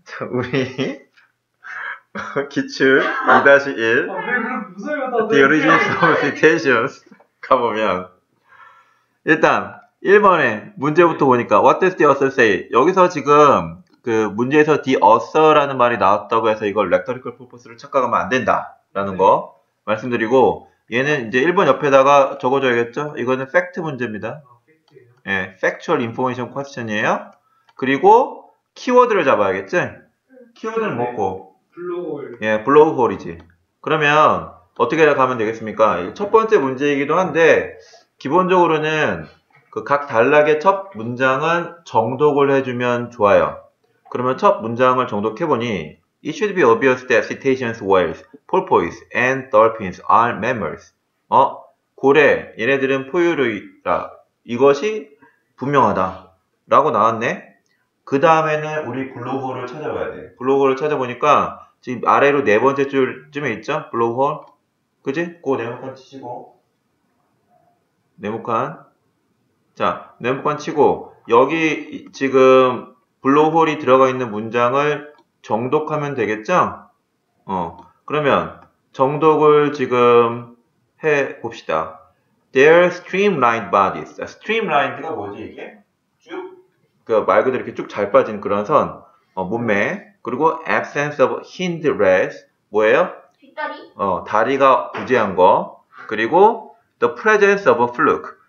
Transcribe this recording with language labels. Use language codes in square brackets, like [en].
[ko] 우리 기출 2-1 The Origins of Citations 가보면 일단 1번에 문제부터 보니까 [en] What does the author say? [ko] 여기서 지금 그 문제에서 the author라는 말이 나왔다고 해서 이걸 rhetorical purpose를 착각하면 안 된다라는 거 말씀드리고 얘는 이제 1번 옆에다가 적어줘야겠죠? 이거는 fact 문제입니다. 예, factual information question이에요. 그리고 키워드를 잡아야겠지? 키워드는 뭐고? 예, 블로우홀이지. 그러면 어떻게 가면 되겠습니까? 첫 번째 문제이기도 한데 기본적으로는 그각 단락의 첫 문장은 정독을 해주면 좋아요. 그러면 첫 문장을 정독해 보니 [en] It should be obvious that cetaceans, whales, porpoises, and dolphins are mammals. [ko] 고래, 얘네들은 포유류라. 이것이 분명하다라고 나왔네. 그 다음에는 우리 블로그홀을 찾아봐야 돼. 블로그홀을 찾아보니까 지금 아래로 네 번째 줄쯤에 있죠? 블로그홀. 그지? 그거 네모칸 치시고. 네모칸. 자, 네모칸 치고. 여기 지금 블로그홀이 들어가 있는 문장을 정독하면 되겠죠? 그러면 정독을 지금 해 봅시다. [en] They're streamlined bodies. [ko] Streamlined가 뭐지, 이게? 그말 그대로 이렇게 쭉잘 빠진 그런 선, 몸매, 그리고 [en] absence of hind legs, [ko] 뭐예요? 다리가 부재한 거, 그리고 [en] the presence of a fluke.